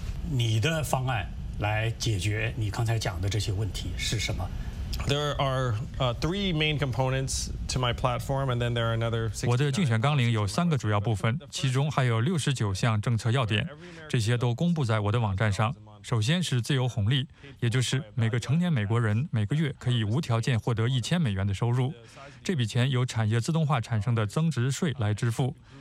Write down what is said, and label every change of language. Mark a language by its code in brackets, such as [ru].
[zh] 你的方案来解决你刚才讲的这些问题是什么？ [en] There are three main components to my platform, and then there are another. [zh] 我的竞选纲领有3个主要部分，其中还有69项政策要点，这些都公布在我的网站上。首先是自由红利，也就是每个成年美国人每个月可以无条件获得$1000的收入，这笔钱由产业自动化产生的增值税来支付。